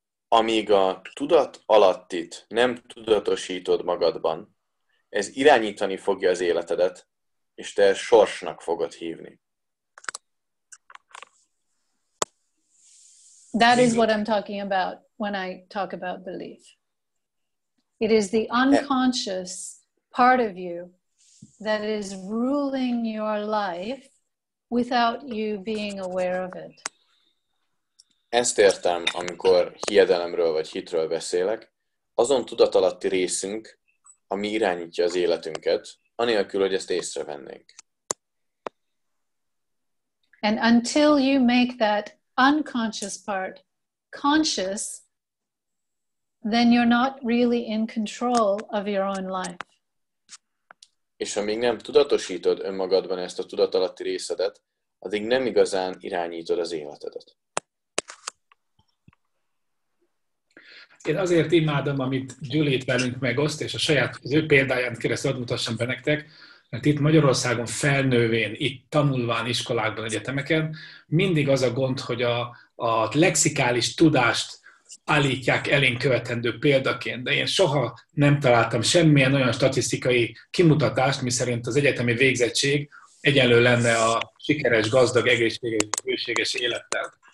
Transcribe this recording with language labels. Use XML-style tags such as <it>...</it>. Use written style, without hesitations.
<hu>Amíg a tudat alattit nem tudatosítod magadban, ez irányítani fogja az életedet, és te sorsnak fogod hívni.</hu> <en>That is what I'm talking about. When I talk about belief, it is the unconscious part of you that is ruling your life without you being aware of it.</en> <hu>Ezt értem, amikor hiedelemről vagy hitről beszélek, azon tudatalatti részünk, ami irányítja az életünket, anélkül, hogy ezt észrevennénk.</hu> <en>And until you make that unconscious part conscious, then you're not really in control of your own life.</en> <hu>És amíg nem tudatosítod önmagadban ezt a tudatalatti részedet, addig nem igazán irányítod az életedet. Én azért imádom, amit Julie velünk megoszt, és a saját az ő példáján keresztül mutassam be nektek, mert itt Magyarországon felnővén, itt tanulván iskolákban, egyetemeken, mindig az a gond, hogy a lexikális tudást állítják elénk követendő példaként, de én soha nem találtam semmilyen olyan statisztikai kimutatást, miszerint az egyetemi végzettség egyenlő lenne a sikeres, gazdag, egészséges, bőséges élettel.</hu>